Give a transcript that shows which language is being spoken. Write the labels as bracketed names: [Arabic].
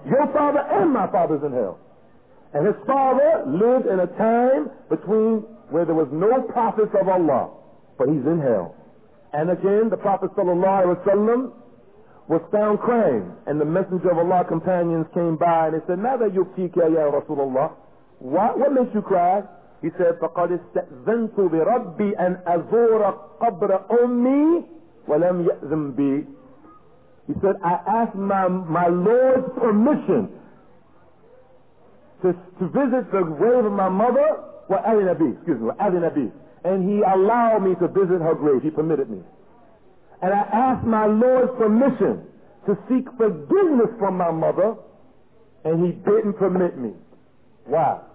[English] Your father and my father's in hell. And his father lived in a time between where there was no prophets of Allah, but he's in hell. And again, the Prophet sallallahu alaihi wasallam was found crying, and the Messenger of Allah companions came by and they said, [Arabic] Mada yukika ya Rasulullah? [English] What makes you cry? He said, [Arabic] فَقَدْ اسْتَأْذَنْتُ بِرَبِّي أَنْ أَزُورَ قَبْرَ أُمِّي وَلَمْ يَأْذِنْ بِي. [English] He said, I asked my Lord's permission to visit the grave of my mother, [Arabic] وَأَذِنَ بِي, [English] and he allowed me to visit her grave, he permitted me. And I asked my Lord's permission to seek forgiveness from my mother, and he didn't permit me. Why?